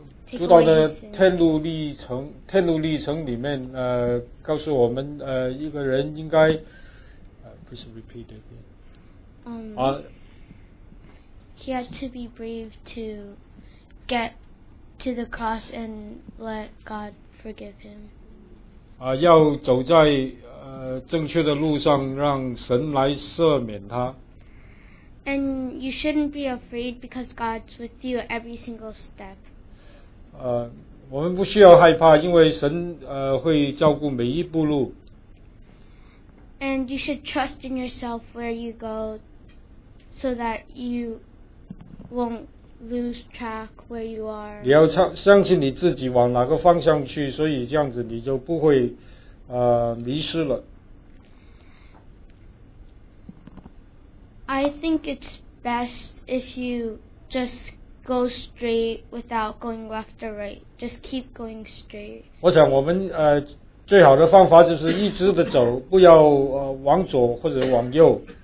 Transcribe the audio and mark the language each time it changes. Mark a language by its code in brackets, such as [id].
[en] take away his sin. he had to be brave to get to the cross and let God forgive him. [zh] 要走在正确的路上，让神来赦免他。 [en] And you shouldn't be afraid because God's with you every single step. [zh] 我们不需要害怕，因为神会照顾每一步路。 [en] And you should trust in yourself where you go, so that you won't lose track where you are. [zh] 你要相信你自己往哪个方向去，所以这样子你就不会迷失了。 [en] I think it's best if you just go straight without going left or right. Just keep going straight. [zh] 我想我们最好的方法就是一直的走，不要往左或者往右。